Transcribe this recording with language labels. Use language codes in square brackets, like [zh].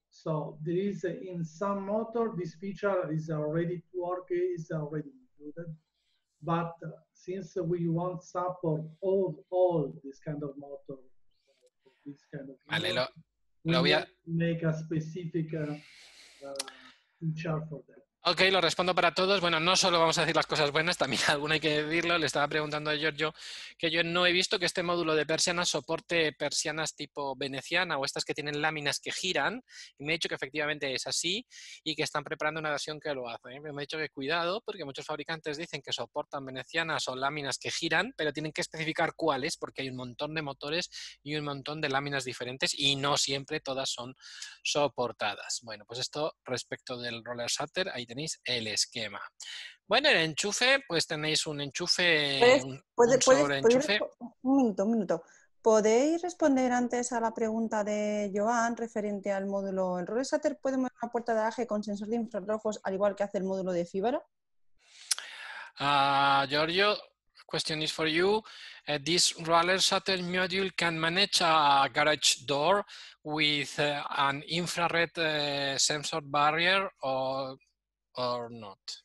[en] So there is in some motor, this feature is already to work, is already included. But since we want support all this kind of motor, this kind of [es] vale, [en] motor, [es] lo voy a [en] make a specific feature for that. [es] Ok, lo respondo para todos. Bueno, no solo vamos a decir las cosas buenas, también alguna hay que decirlo. Le estaba preguntando a Giorgio que yo no he visto que este módulo de persianas soporte persianas tipo veneciana o estas que tienen láminas que giran. Y me ha dicho que efectivamente es así y que están preparando una versión que lo hace. Me ha dicho que cuidado, porque muchos fabricantes dicen que soportan venecianas o láminas que giran, pero tienen que especificar cuáles, porque hay un montón de motores y un montón de láminas diferentes y no siempre todas son soportadas. Bueno, pues esto respecto del roller shutter, tenéis el esquema. Bueno, el enchufe, pues tenéis un enchufe, un minuto. ¿Podéis responder antes a la pregunta de Joan referente al módulo? ¿El roller shutter puede mover una puerta de garaje con sensor de infrarrojos al igual que hace el módulo de fibra? [en] Giorgio, question is for you. This roller shutter module can manage a garage door with an infrared sensor barrier or not?